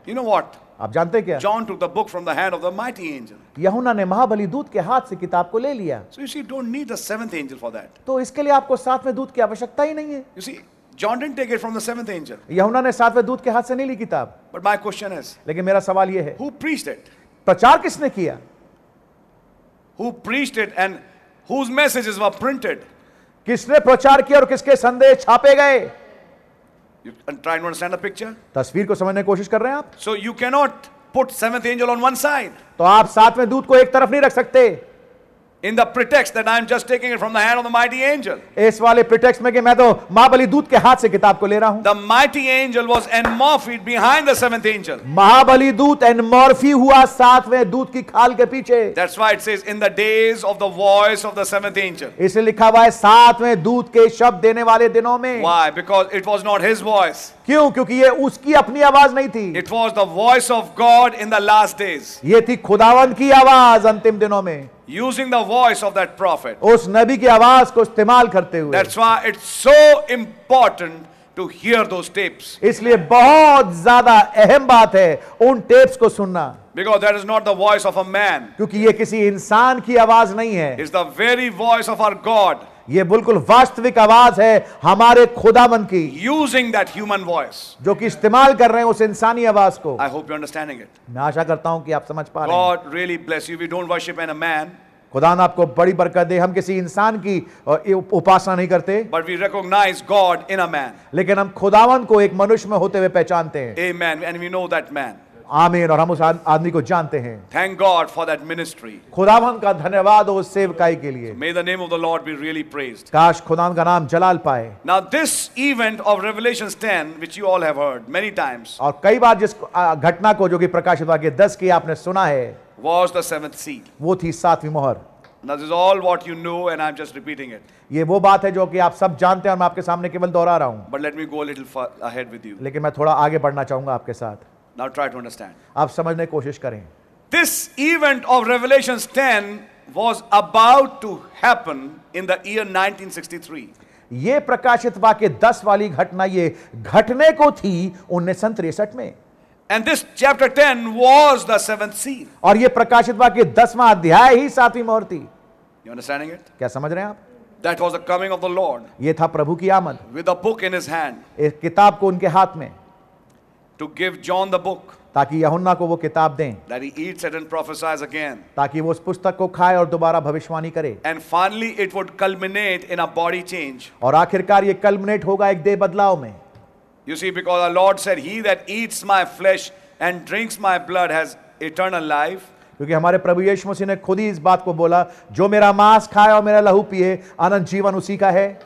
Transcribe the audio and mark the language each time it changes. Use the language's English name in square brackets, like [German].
[English] You know what? [Hindi] आप जानते क्या? [English] John took the book from the hand of the mighty angel. [Hindi] यहूना ने महाबली दूत के हाथ से किताब को ले लिया. [English] So you see, don't need the seventh angel for that. [Hindi] तो इसके लिए आपको सातवें दूत की आवश्यकता ही नहीं है. [English] You see, John didn't take it from the seventh angel. [Hindi] यहूना ने सातवें दूत के हाथ से नहीं ली किताब. [English] But my question is. [Hindi] लेकिन मेरा सवाल ये है. [English] Who preached it? [Hindi] प्रचार किसने किया? [English] Who preached it and whose messages were printed? [Hindi] किसने प्रचार किया और किसके संदेश छापे गए? [English] Trying to understand the picture. [Hindi] तस्वीर को समझने की कोशिश कर रहे हैं आप? [English] So you cannot put seventh angel on one side. [Hindi] तो आप सातवें दूत को एक तरफ नहीं रख सकते. [English] In the pretext that I am just taking it from the hand of the mighty angel. [Hindi] इस वाले pretext में कि मैं तो महाबली दूत के हाथ से किताब को ले रहा हूं. [English] The mighty angel was enmorphed behind the seventh angel. [Hindi] महाबली दूत enmorphy हुआ सातवें दूत की खाल के पीछे. [English] That's why it says in the days of the voice of the seventh angel. [Hindi] इसे लिखा हुआ है सातवें दूत के शब्द देने वाले दिनों में. [English] Why? Because it was not his voice. [Hindi] क्यों? क्योंकि ये उसकी अपनी आवाज नहीं थी. [English] It was the voice of God in the last days. [Hindi] ये थी खुदावंद की आवाज अंतिम दिनों में. [English] Using the voice of that prophet. [Hindi] उस नबी की आवाज को इस्तेमाल करते हुए. [English] That's why it's so important to hear those tapes. [Hindi] इसलिए बहुत ज़्यादा अहम बात है उन टेप्स को सुनना. [English] Because that is not the voice of a man. [Hindi] क्योंकि ये किसी इंसान की आवाज नहीं है. [English] It's the very voice of our God. [Hindi] ये बिल्कुल वास्तविक आवाज है हमारे खुदावंद की. [English] Using that human voice. [Hindi] जो कि इस्तेमाल कर रहे हैं उस इंसानी आवाज को. [English] I hope you're understanding it. [Hindi] मैं आशा करता हूं कि आप समझ पा रहे हैं. [English] God really bless you. We don't worship in a man. [Hindi] खुदा ने आपको बड़ी बरकत दे. हम किसी इंसान की उपासना नहीं करते. [English] But we recognize God in a man. [Hindi] लेकिन हम खुदावंद को एक मनुष्य में होते हुए पहचानते हैं. [English] Amen. And we know that man. [Hindi] आमीन. और हम उस आदमी को जानते हैं. [English] Thank God for that ministry. [Hindi] खुदावन का धन्यवाद उस सेवकाई के लिए. [English] May the name of the Lord be really praised. [Hindi] काश खुदावन का नाम जलाल पाए. [English] Now this event of Revelation 10, which you all have heard many times. [Hindi] और कई बार जिस घटना को जो कि प्रकाशित वाक्य 10 की आपने सुना है. [English] Was the seventh seal. [Hindi] वो थी सातवीं मोहर. [English] Now this is all what you know, and I'm just repeating it. [Hindi] ये वो बात है जो कि आप सब जानते हैं और मैं आपके सामने केवल दोहरा रहा हूँ. [English] But let me go a little ahead with you. [Hindi] लेकिन मैं थोड़ा आगे बढ़ना चाहूंगा आपके साथ. [English] Now try to understand. [Hindi] आप समझने की कोशिश करें. [English] This event of Revelation 10 was about to happen in the year 1963. [Hindi] ये प्रकाशित वाक्य 10 वाली घटना ये घटने को थी 1963 में. [English] And this chapter 10 was the seventh seal. [Hindi] और ये प्रकाशित वाक्य 10वां अध्याय ही सातवीं मोहर थी. [English] You understanding it? [Hindi] क्या समझ रहे हैं आप? [English] That was the coming of the Lord. [Hindi] ये था प्रभु की आमद. [English] With a book in his hand. [Hindi] एक किताब को उनके हाथ में. [English] To give John the book, [Hindi] ताकि यहोन्ना को वो किताब दें, [English] that he eats it and prophesies again, [Hindi] ताकि वो उस पुस्तक को खाए और दोबारा भविष्यवाणी करे, [English] and finally it would culminate in a body change, [Hindi] और आखिरकार ये culminate होगा एक देह बदलाव में, [English] you see because our Lord said he that eats my flesh and drinks my blood has eternal life, [Hindi] क्योंकि हमारे प्रभु यीशु मसीह ने खुद ही इस बात को बोला जो मेरा मांस खाए और मेरा लहू पिए अनंत जीवन उसी का है.